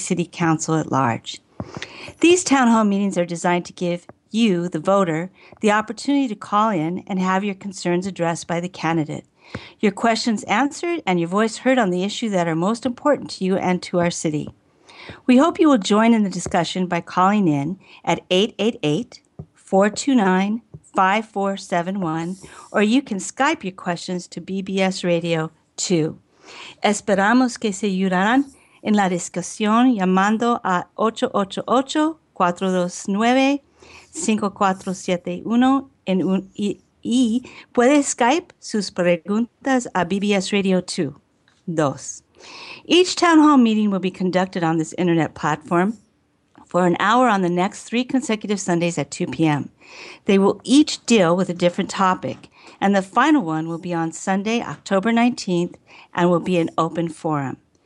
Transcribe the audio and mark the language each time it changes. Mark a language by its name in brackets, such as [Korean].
[English] City Council at Large. These town hall meetings are designed to give you, the voter, the opportunity to call in and have your concerns addressed by the candidate, your questions answered, and your voice heard on the issues that are most important to you and to our city. We hope you will join in the discussion by calling in at 888-429-5471, or you can Skype your questions to BBS Radio 2. [Spanish] Esperamos que se ayudarán en la discusión llamando a 888-429-5471 y puede Skype sus preguntas a BBS Radio 2. Dos. [English] Each town hall meeting will be conducted on this internet platform for an hour on the next three consecutive Sundays at 2 p.m. They will each deal with a different topic, and the final one will be on Sunday, October 19th, and will be an open forum.